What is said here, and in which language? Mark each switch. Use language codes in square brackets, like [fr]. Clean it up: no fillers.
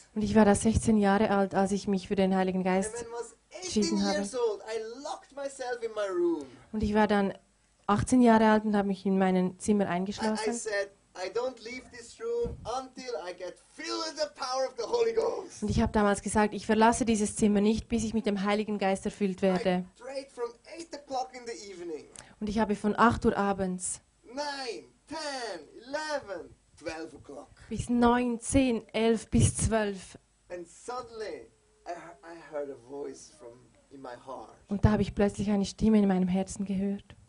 [de] Und ich war da 16 Jahre alt, als ich mich für den Heiligen Geist entschieden habe. [en] Years old, I locked myself in my room. [de] Und ich war dann 18 Jahre alt und habe mich in meinem Zimmer eingeschlossen. [en] I don't leave this room until I get filled with the power of the Holy Ghost. [de] Und ich habe damals gesagt, ich verlasse dieses Zimmer nicht, bis ich mit dem Heiligen Geist erfüllt werde. [en] I prayed from 8 o'clock in the evening. [de] Und ich habe von 8 Uhr abends [en] 9, 10, 11, 12 o'clock. [de] Bis 9, 10, 11 bis 12. [en] And suddenly I heard a voice from in my heart. [de] Und da habe ich plötzlich eine Stimme in meinem Herzen gehört.